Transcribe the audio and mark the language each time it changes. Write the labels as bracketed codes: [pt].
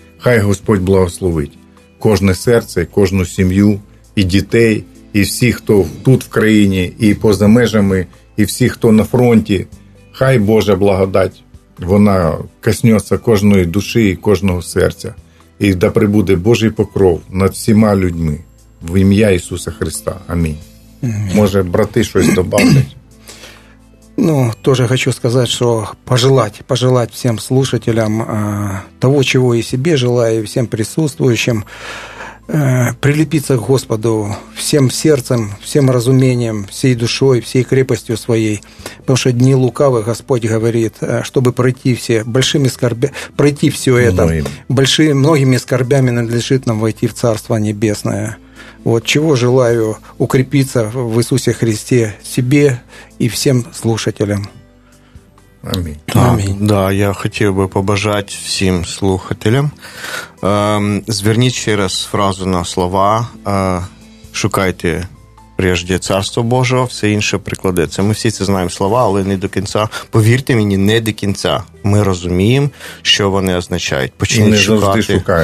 [uk] Хай Господь благословить кожне серце, кожну сім'ю, і дітей, і всіх, хто тут в країні, і поза межами, і всіх, хто на фронті. Хай Божа благодать, вона коснеться кожної душі і кожного серця. І да прибуде Божий покров над всіма людьми. В ім'я Ісуса Христа. Амінь. Може, брати щось добавлять? [ru] Ну, тоже хочу сказать, что пожелать всем слушателям того, чего и себе желаю, и всем присутствующим, прилепиться к Господу всем сердцем, всем разумением, всей душой, всей крепостью своей. Потому что дни лукавы, Господь говорит, чтобы пройти все большими скорбями, пройти все это, большими, многими скорбями надлежит нам войти в Царство Небесное. Вот чего желаю укрепиться в Иисусе Христе себе и всем слушателям. Аминь. Да, аминь. Да, я хотел бы [uk] побажать [ru] всем слушателям. [uk] Зверніть ще раз фразу на слова. Шукайте прежде Царство Божого, все інше прикладеться. Ми всі це знаємо слова, але не до кінця. Повірте мені, не до кінця. Ми розуміємо, що вони означають. Почніть шукати.